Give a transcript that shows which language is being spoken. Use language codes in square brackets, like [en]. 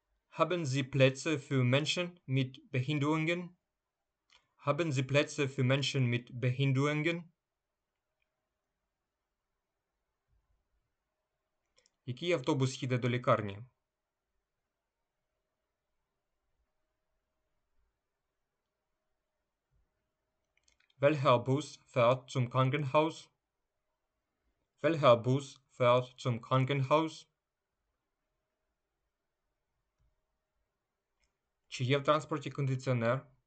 [de] Haben Sie Plätze für Menschen mit Behinderungen? Haben Sie Plätze für Menschen mit Behinderungen? [uk] Який автобус їде до лікарні? [de] Welcher Bus fährt zum Krankenhaus? Welcher Bus fährt zum Krankenhaus? [uk] Чи є в транспорті кондиціонер?